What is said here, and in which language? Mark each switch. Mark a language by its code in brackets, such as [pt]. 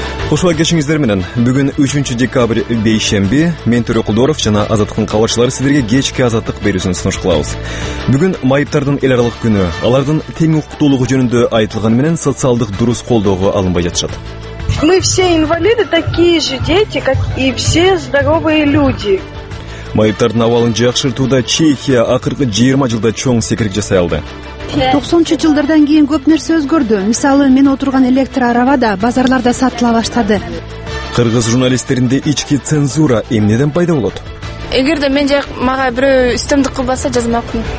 [ky] Кошуна кечиңиздер менен. Бүгүн 3 декабрь бейшемби. Мен Төрө Кулдоров жана Азаттыктын кабарчылары сиздерге кечки азаттык берүүсүн сунуш кылабыз. Бүгүн майыптардын эл аралык күнү, алардын тең укуктуулугу жөнүндө айтылганы менен социалдык дурус колдоого алынбай жатышат. [ru] Мы все инвалиды, такие же дети, как и все здоровые люди. [ky] Майыптардын абалын жакшыртууда Чехия акыркы 20 жылда чоң секирик жасай алды. 90-чу жылдардан кийин көп нерсе өзгөрдү. Мисалы, мен отурган электр араба да базарларда сатыла баштады. Кыргыз журналисттеринде ички цензура эмнеден пайда болот? Эгерде мен жак мага бирөө үстөмдүк кылбаса жазмакмын.